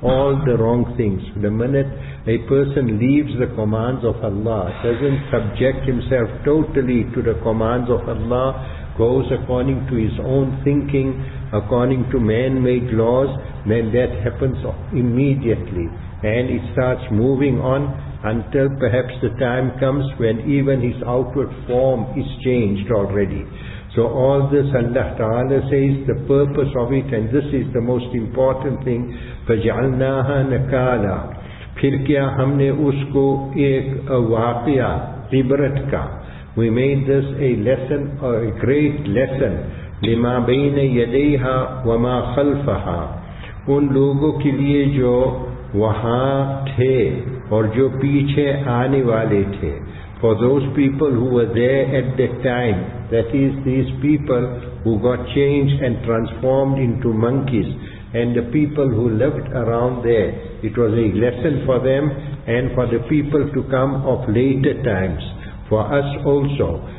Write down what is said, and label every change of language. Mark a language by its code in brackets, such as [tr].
[en] All the wrong things. The minute a person leaves the commands of Allah, doesn't subject himself totally to the commands of Allah, goes according to his own thinking, according to man-made laws, then that happens immediately. And it starts moving on until perhaps the time comes when even his outward form is changed already. So all this Allah Ta'ala says the purpose of it, and this is the most important thing. [ar] فَجَعَلْنَاهَا نَكَالًا. [ur] پھر کیا ہم نے اس کو ایک واقعہ عبرت کا. [en] We made this a lesson, or a great lesson. [ar] لِمَا بَيْنَ يَدَيْهَا وَمَا خَلْفَهَا. [ur] ان لوگوں کے لیے جو وہاں تھے اور جو پیچھے آنے والے تھے. [en] For those people who were there at that time, that is these people who got changed and transformed into monkeys, and the people who lived around there, it was a lesson for them and for the people to come of later times, for us also.